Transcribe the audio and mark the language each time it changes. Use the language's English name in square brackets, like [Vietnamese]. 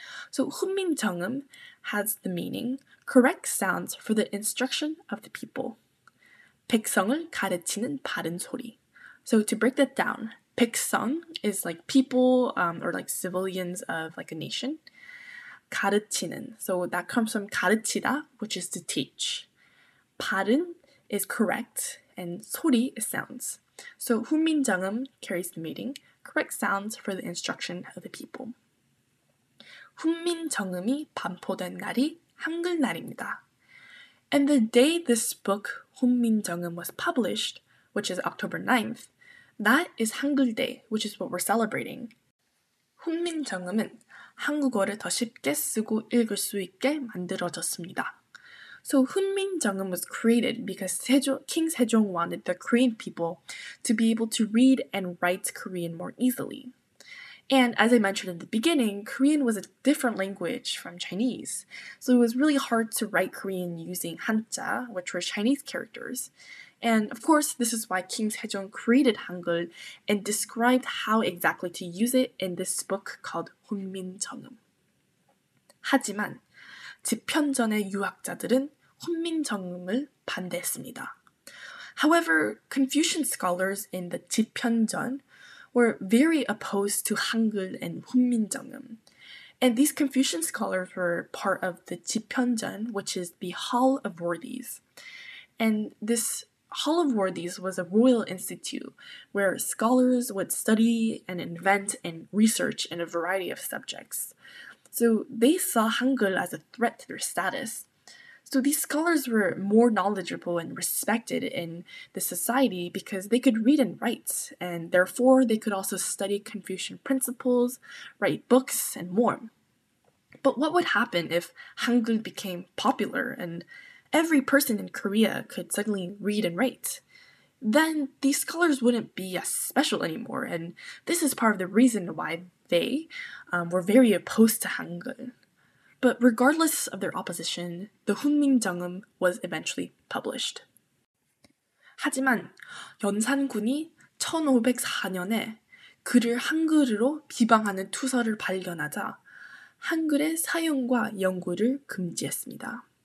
[English] So 훈민정음 has the meaning correct sounds for the instruction of the people. [Korean] 백성을 가르치는 바른 소리. [English] So to break that down, 백성 is like people or like civilians of like a nation. 가르치는, so that comes from 가르치다, which is to teach. 바른 is correct and 소리 is sounds. So 훈민정음 carries the meaning, correct sounds for the instruction of the people. [Korean] 훈민정음이 반포된 날이 한글날입니다. [English] And the day this book 훈민정음 was published, which is October 9th, that is Hangul Day, which is what we're celebrating. [Korean] 훈민정음은 한국어를 더 쉽게 쓰고 읽을 수 있게 만들어졌습니다. [English] So 훈민정음 was created because King Sejong wanted the Korean people to be able to read and write Korean more easily. And as I mentioned in the beginning, Korean was a different language from Chinese. So it was really hard to write Korean using Hanja, which were Chinese characters. And of course, this is why King Sejong created Hangul and described how exactly to use it in this book called 훈민정음. [Korean] 하지만 집현전의 유학자들은 훈민정음을 반대했습니다. [English] However, Confucian scholars in the 집현전 were very opposed to Hangul and 훈민정음. And these Confucian scholars were part of the 집현전, which is the Hall of Worthies. And this Hall of Worthies was a royal institute where scholars would study and invent and research in a variety of subjects. So they saw Hangul as a threat to their status. So these scholars were more knowledgeable and respected in the society because they could read and write, and therefore they could also study Confucian principles, write books, and more. But what would happen if Hangul became popular and every person in Korea could suddenly read and write? Then these scholars wouldn't be as special anymore, and this is part of the reason why they were very opposed to Hangul. But regardless of their opposition, the 훈민정음 was eventually published. [Korean] 하지만 연산군이 1504년에 그를 한글로 비방하는 투서를 발견하자 한글의 사용과 연구를 금지했습니다.